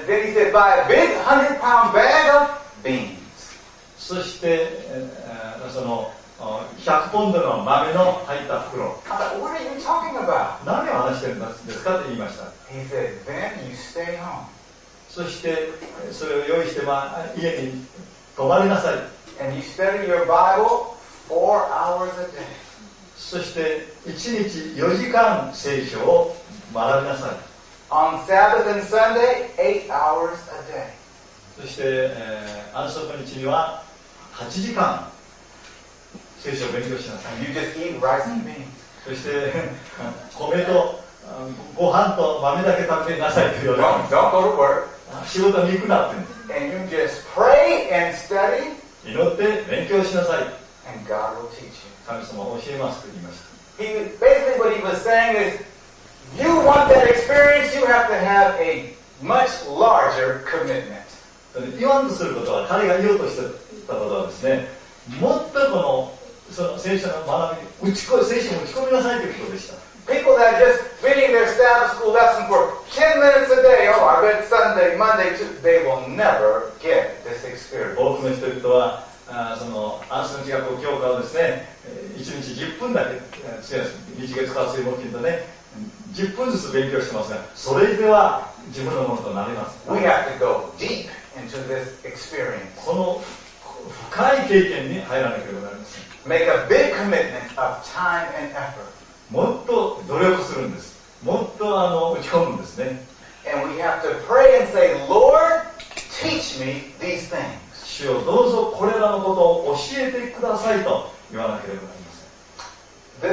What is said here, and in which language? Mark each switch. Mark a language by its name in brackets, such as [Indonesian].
[English] Then he said, buy a big 100-pound bag of beans. [Japanese] そして、その。 100ポンドの豆の入った袋。 [English] What are you talking about? [Japanese] 何を話してるんですかと言いました。 [English] He said, Then you stay home. [Japanese] そして、それを用意して、家に泊まりなさい。 [English] And you study your Bible 4 hours a day. [Japanese] そして、1日4時間聖書を学びなさい。 [English] On Sabbath and Sunday, 8 hours a day. [Japanese] そして、安息日には8時間。聖書を勉強しなさい。 [English] You just eat rice and beans. [Japanese] そして米とご飯と豆だけ食べなさいというような。 [English] Don't go to work. [Japanese] 仕事に行くなって。 [English] And you just pray and study. [Japanese] 祈って勉強しなさい。 [English] And God will teach you. [Japanese] 神様を教えますと言いました。 [English] He basically what he was saying is, you want that experience, you have to have a much larger commitment. [Japanese] 言わんとすることは彼が言おうとしてたことはですね、もっとこの聖書の学び、聖書に打ち込みなさいということでした。 [English] People that are just finishing their Sabbath school lesson for 10 minutes a day, oh, I read Sunday, Monday, Tuesday, they will never get this experience. [Japanese] 多くの人々は、その安息日学校教科をですね、1日10分だけ、日月火水木金とね、10分ずつ勉強してますが、それでは自分のものとなります。 [English] We have to go deep into this experience. [Japanese] この深い経験に入らなければなりません。 [English] Make a big commitment of time and effort. [Japanese] もっと努力するんです。もっと打ち込むんですね。 [English] And we have to pray and say, Lord, teach me these things. [Japanese] 主よ、どうぞこれらのことを教えてくださいと言わなければなりません。